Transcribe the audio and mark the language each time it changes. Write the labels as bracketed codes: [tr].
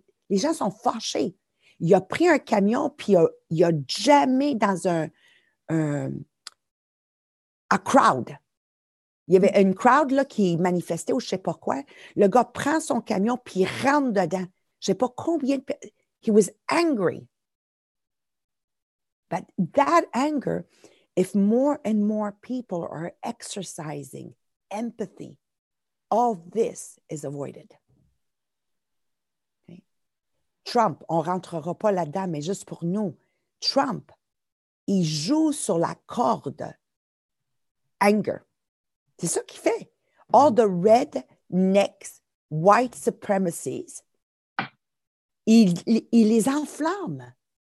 [fr] Les gens sont fâchés. Il a pris un camion, puis il a jamé dans un crowd. Il y avait une crowd là, qui manifestait ou je ne sais pas quoi. Le gars prend son camion, puis il rentre dedans. Je ne sais pas combien de... [en] He was angry. But that anger, if more and more people are exercising empathy All this is avoided. Okay. [fr] Trump, on ne rentrera pas là-dedans, mais juste pour nous. Trump, il joue sur la corde anger. C'est ça qu'il fait. [en] All the rednecks, white supremacies, [fr] il les enflamme.